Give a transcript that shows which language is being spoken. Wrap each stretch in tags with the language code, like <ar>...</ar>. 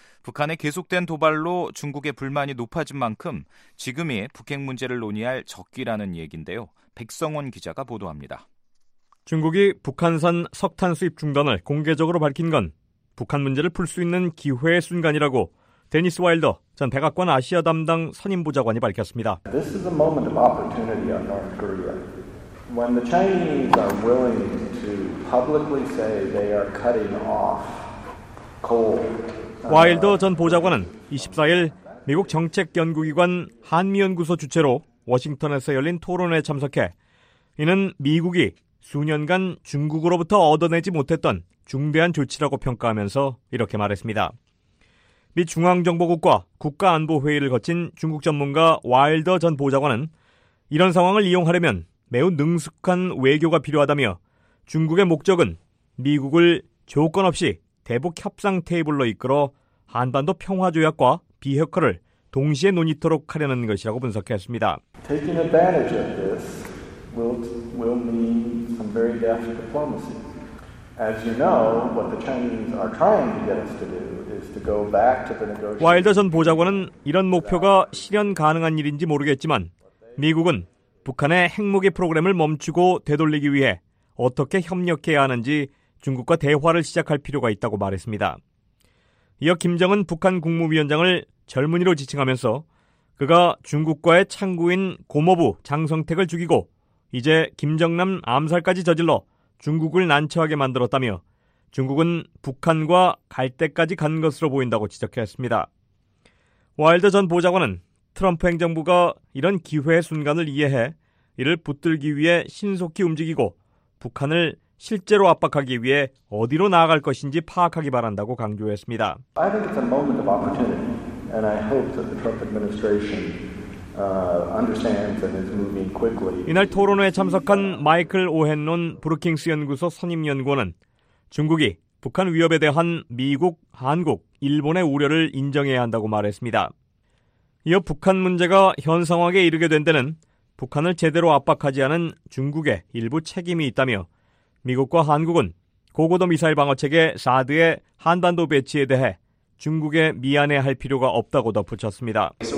<ko>북한의 계속된 도발로 중국의 불만이 높아진 만큼 지금이 북핵 문제를 논의할 적기라는 얘기인데요. 백성원 기자가 보도합니다. 중국이 북한산 석탄 수입 중단을 공개적으로 밝힌 건 북한 문제를 풀 수 있는 기회의 순간이라고 데니스 와일더 전 백악관 아시아 담당 선임 보좌관이 밝혔습니다.</ko> <en>This is a moment of opportunity on North Korea. When the Chinese are willing to publicly say they are cutting off coal.</en> <ko>와일더 전 보좌관은 24일 미국 정책연구기관 한미연구소 주최로 워싱턴에서 열린 토론회에 참석해 이는 미국이 수년간 중국으로부터 얻어내지 못했던 중대한 조치라고 평가하면서 이렇게 말했습니다. 미 중앙정보국과 국가안보회의를 거친 중국 전문가 와일더 전 보좌관은 이런 상황을 이용하려면 매우 능숙한 외교가 필요하다며 중국의 목적은 미국을 조건 없이 대북 협상 테이블로 이끌어 한반도 평화조약과 비핵화를 동시에 논의토록 하려는 것이라고 분석했습니다.</ko> <en>Taking advantage of this will mean some very deft diplomacy. As you know, what the Chinese are trying to get us to do is to go back to the negotiation.</en> <ko>와일더 전 보좌관은 이런 목표가 실현 가능한 일인지 모르겠지만 미국은 북한의 핵무기 프로그램을 멈추고 되돌리기 위해 어떻게 협력해야 하는지 중국과 대화를 시작할 필요가 있다고 말했습니다. 이어 김정은 북한 국무위원장을 젊은이로 지칭하면서 그가 중국과의 창구인 고모부 장성택을 죽이고 이제 김정남 암살까지 저질러 중국을 난처하게 만들었다며 중국은 북한과 갈 때까지 간 것으로 보인다고 지적했습니다. 와일더 전 보좌관은 트럼프 행정부가 이런 기회의 순간을 이해해 이를 붙들기 위해 신속히 움직이고 북한을 실제로 압박하기 위해 어디로 나아갈 것인지 파악하기 바란다고 강조했습니다.</ko> <en>I think it's a moment of opportunity and I hope that the Trump administration understands and is moving quickly.</en> <ko>이날 토론회에 참석한 마이클 오헨론 브루킹스 연구소 선임 연구원은 중국이 북한 위협에 대한 미국, 한국, 일본의 우려를 인정해야 한다고 말했습니다. 이어 북한 문제가 현 상황에 이르게 된 데는 북한을 제대로 압박하지 않은 중국의 일부 책임이 있다며 미국과 한국은 고고도 미사일 방어체계 사드의 한반도 배치에 대해 중국에 미안해할 필요가 없다고 덧붙였습니다.</ko>